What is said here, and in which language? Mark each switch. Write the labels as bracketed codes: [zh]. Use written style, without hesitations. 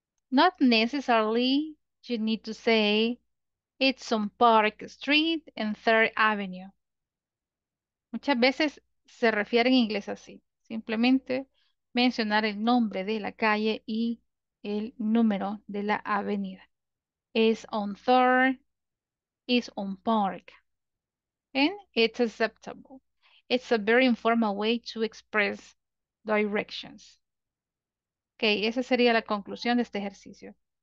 [en] Not necessarily you need to say it's on Park Street and Third Avenue. [es] Muchas veces se refiere en inglés así. Simplemente mencionar el nombre de la calle y el número de la avenida. [en] Is on Third, is on Park. And it's acceptable. It's a very informal way to express directions. [es] Okay, esa sería la conclusión de este ejercicio.